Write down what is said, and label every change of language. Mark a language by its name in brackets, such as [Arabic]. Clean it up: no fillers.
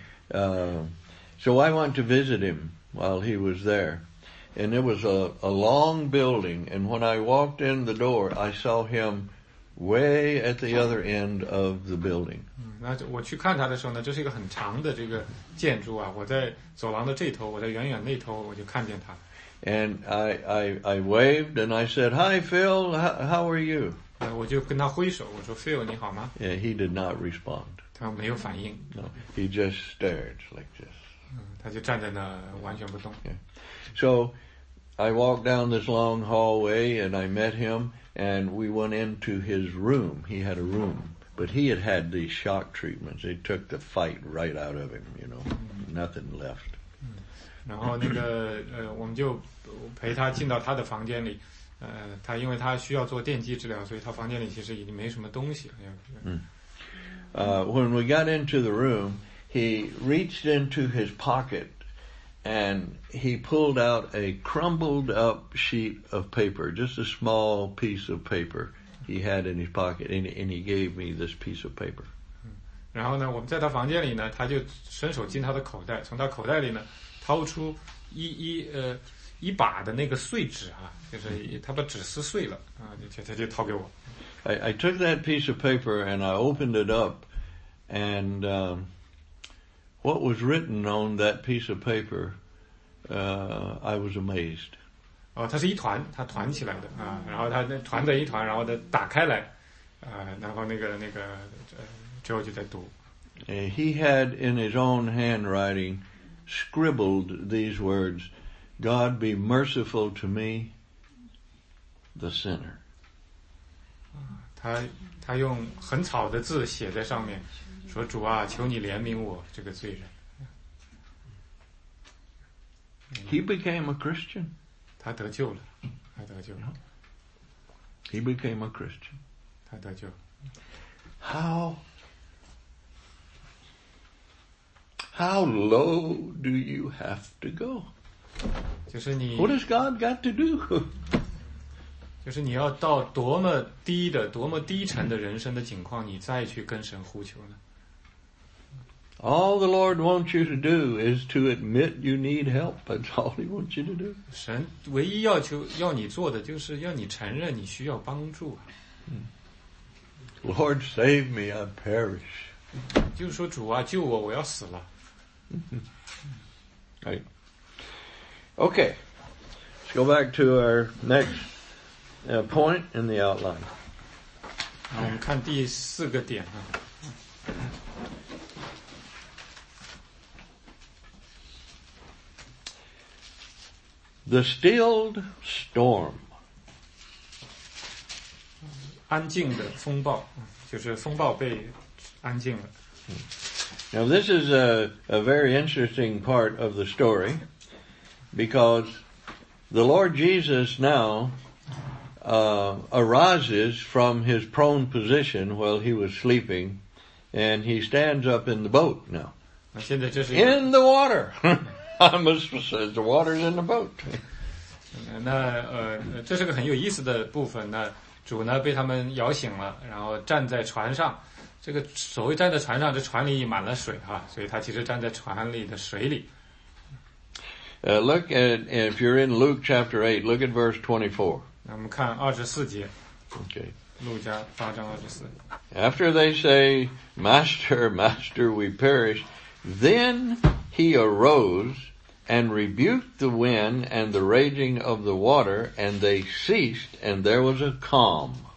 [English] So I went to visit him while he was there, and it was a long building. And when I walked in the door, I saw him way at the other end of the building. [Chinese] 那我去看他的时候呢，这是一个很长的这个建筑啊。我在走廊的这头，我在远远那头，我就看见他。 [English] And I waved and I said, "Hi, Phil. How are you?" [Chinese] 我就跟他挥手，我说 ，Phil， 你好吗 [English] ？Yeah, he did not respond. [Chinese] 他没有反应。 [English] No, he just stared like this. [Chinese] 他就站在那完全不动。 [English] Yeah. So I walked down this long hallway and I met him and we went into his room. He had a room, but he had had these shock treatments. They took the fight right out of him. You know, nothing left. [Chinese] 然后那个我们就陪他进到他的房间里，他因为他需要做电击治疗，所以他房间里其实已经没什么东西了。 [English] When we got into the room, he reached into his pocket and he pulled out a crumbled up sheet of paper, just a small piece of paper he had in his pocket, and he gave me this piece of paper. [Chinese] 然后呢，我们在他房间里呢，他就伸手进他的口袋，从他口袋里呢。掏出一把的那个碎纸啊，就是他把纸撕碎了啊，他就掏给我。 [English] I took that piece of paper and I opened it up, and what was written on that piece of paper, I was amazed. [Chinese] 哦，它是一团，它团起来的啊，然后它团成一团，然后它打开来，然后那个之后就在读。 [English] He had in his own handwriting. Scribbled these words, "God be merciful to me, the sinner." [Chinese] 他用很草的字写在上面，说主啊，求你怜悯我这个罪人。 [English] He became a Christian. [Chinese] 他得救了，他得救了。 [English] He became a Christian. [Chinese] 他得救。 [English] How low do you have to go? [Chinese] 就是你 [English] What has God got to do? [Chinese] 就是你要到多么低的、多么低沉的人生的境况，你再去跟神呼求呢？ [English] All the Lord wants you to do is to admit you need help. That's all He wants you to do. [Chinese] 神唯一要你做的就是要你承认你需要帮助。 [English] Lord, save me, I perish. [Chinese] 就说主啊救我我要死了 [English] OK, let's go back to our next point in the outline. [Chinese] 我们看第四个点啊。 [English] The stilled storm. [Chinese] 安静的风暴，就是风暴被安静了。 [English] Now this is a very interesting part of the story because the Lord Jesus now arises from his prone position while he was sleeping and he stands up in the boat now. In the water! I'm assuming the water's in the boat. [Chinese] 那这是个很有意思的部分那主呢被他们摇醒了然后站在船上这个所谓站在船上这船里满了水哈所以他其实站在船里的水里。 [English] Look at, if you're in Luke chapter 8, look at verse 24. [Chinese] 我们看24节。 [English] Okay. [Chinese] 路加八章24。 [English] After they say, Master, Master, we perish, then he arose and rebuked the wind and the raging of the water and they ceased and there was a calm.